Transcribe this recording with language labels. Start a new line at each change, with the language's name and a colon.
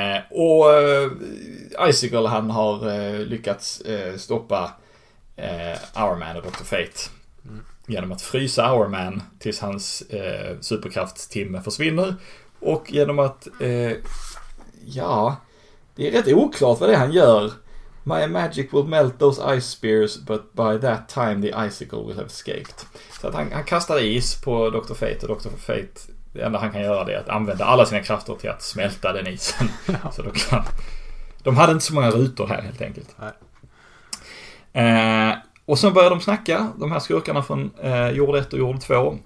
Swedish: Och Icicle han har lyckats stoppa Hourman och Dr. Fate genom att frysa Hourman tills hans superkraftstimme försvinner. Och genom att det är rätt oklart vad det är han gör.
English: My magic will melt those ice spears, but by that time the icicle will have escaped.
Swedish: Så att han kastar is på Dr. Fate, och Dr. Fate, det enda han kan göra det är att använda alla sina krafter till att smälta den isen. Så då kan... De hade inte så många rutor här, helt enkelt. Nej. Och sen börjar de snacka, de här skurkarna från jord 1 och jord 2.